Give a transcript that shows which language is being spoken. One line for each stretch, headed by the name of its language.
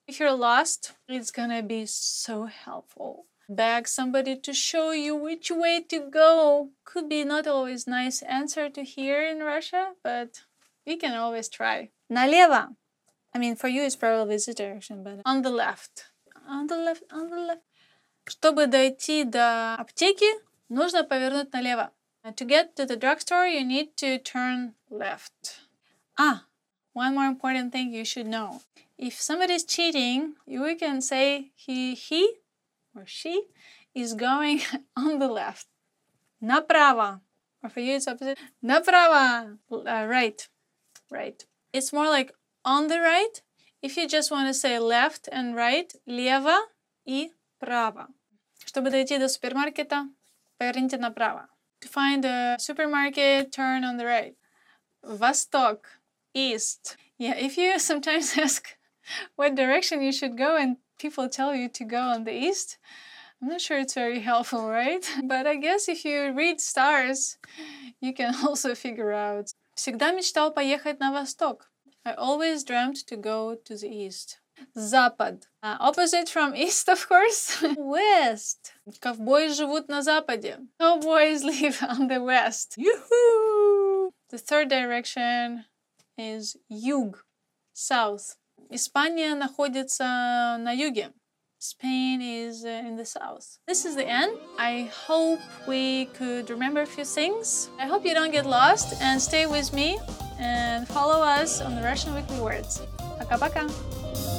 English: If you're lost, it's gonna be so helpful. Beg somebody to show you which way to go. Could be not always nice answer to hear in Russia, but you can always try.
Russian: Налево.
English: I mean, for you it's probably this direction, but on the left. On the left, on the left.
Russian: Чтобы дойти до аптеки, нужно повернуть налево.
English: To get to the drugstore, you need to turn left. Ah, one more important thing you should know. If somebody's cheating, you can say he or she is going on the left.
Russian: Направо.
English: Or for you it's opposite.
Russian: Направо.
English: Right. Right. It's more like on the right. If you just want to say left and right,
Russian: лево и право. Чтобы дойти до супермаркета, поверните направо.
English: To find a supermarket, turn on the right.
Russian: Восток.
English: East. Yeah, if you sometimes ask what direction you should go and people tell you to go on the east, I'm not sure it's very helpful, right? But I guess if you read stars, you can also figure out.
Russian: Всегда мечтал поехать на восток.
English: I always dreamt to go to the east.
Russian: Запад.
English: Opposite from east, of course. West.
Russian: Ковбои живут на западе.
English: Cowboys live on the west. Yoo-hoo! The third direction is юг. South.
Russian: Испания находится на юге.
English: Spain is in the south. This is the end. I hope we could remember a few things. I hope you don't get lost and stay with me and follow us on the Russian Weekly Words.
Russian: Пока-пока!